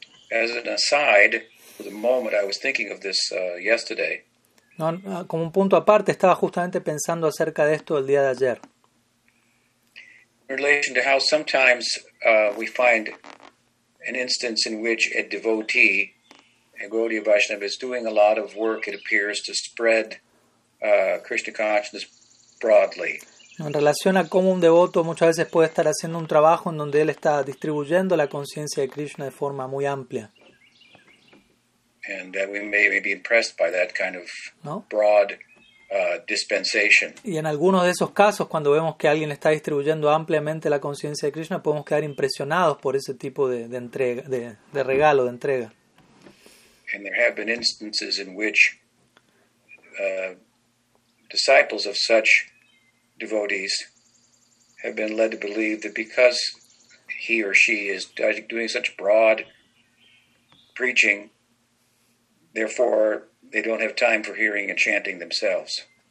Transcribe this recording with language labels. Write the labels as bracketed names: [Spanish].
[English] As an aside, for the moment, I was thinking of this yesterday. [Spanish] No, como un punto aparte, estaba justamente pensando acerca de esto el día de ayer. [English] In relation to how sometimes we find an instance in which a devotee, a Gaudiya Vaishnava, is doing a lot of work, it appears, to spread Krishna consciousness broadly. [Spanish] En relación a cómo un devoto muchas veces puede estar haciendo un trabajo en donde él está distribuyendo la conciencia de Krishna de forma muy amplia. [English] And that we may be impressed by that kind of broad dispensation. [Spanish] Y en algunos de esos casos, cuando vemos que alguien está distribuyendo ampliamente la conciencia de Krishna, podemos quedar impresionados por ese tipo de entrega, de regalo, de entrega. [English] And there have been instances in which disciples of such devotees have been led to believe that because he or she is doing such broad preaching, therefore they don't have time for hearing and chanting themselves.